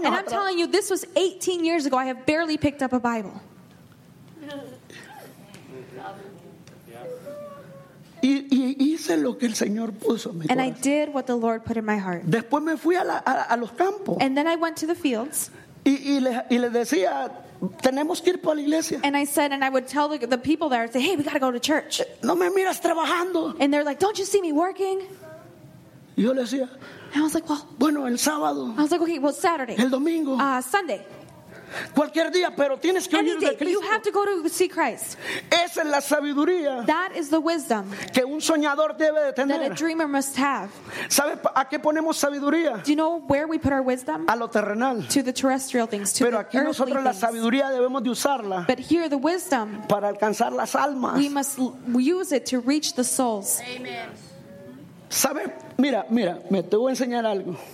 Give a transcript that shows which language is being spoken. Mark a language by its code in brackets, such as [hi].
[en] atrás. And I'm telling you, this was 18 years ago. I have barely picked up a Bible. [es] Y hice lo que el Señor puso en mi corazón. [en] And I did what the Lord put in my heart. [es] Después me fui a los campos. [en] And then I went to the fields. [es] Y le decía, tenemos que ir para la iglesia. [en] And I said, and I would tell the people there, I'd say, hey, we got to go to church. [es] No me miras trabajando. [en] And they're like, don't you see me working? [es] Yo le decía. [en] And I was like, well. [es] Bueno, el sábado. [en] I was like, okay, well, Saturday. [es] El domingo. [en] Sunday. [es] Cualquier día, pero tienes que venir de Cristo. [en] You have to go to see Christ. [es] Esa es la sabiduría. [en] That is the wisdom [es] que un soñador debe de tener. [en] That a dreamer must have. [es] ¿Sabes a qué ponemos sabiduría? [en] Do you know where we put our wisdom? [es] A lo terrenal. [en] To the terrestrial things, to [es] pero [en] the earthly things. [es] Pero aquí nosotros la sabiduría debemos de usarla. [en] But here the wisdom [es] para alcanzar las almas. [en] We must use it to reach the souls. Amen. [es] ¿Sabes? Mira, mira, me te voy a enseñar algo.